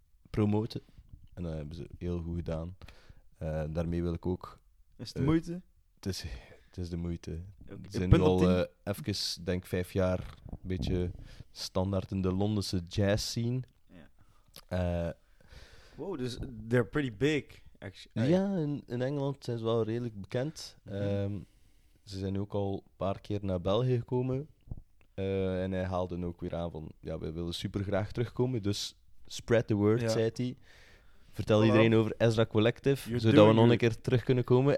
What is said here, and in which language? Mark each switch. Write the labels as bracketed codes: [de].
[nl] promoten. En dat hebben ze heel goed gedaan. Daarmee wil ik ook... Is het de moeite? Het is de moeite. Okay. Ze zijn nu al even, denk ik, 5 jaar een beetje standaard in de Londense jazz scene. Ja. Wow, [en] dus they're pretty big, actually. [nl] Ja, in Engeland zijn ze wel redelijk bekend. Ze zijn ook al een paar keer naar België gekomen. En hij haalde ook weer aan van, ja, we willen supergraag terugkomen. Dus [en] spread the word, [nl] ja. Zei hij. Vertel voilà. Iedereen over Ezra Collective, you're zodat we nog een keer terug kunnen komen.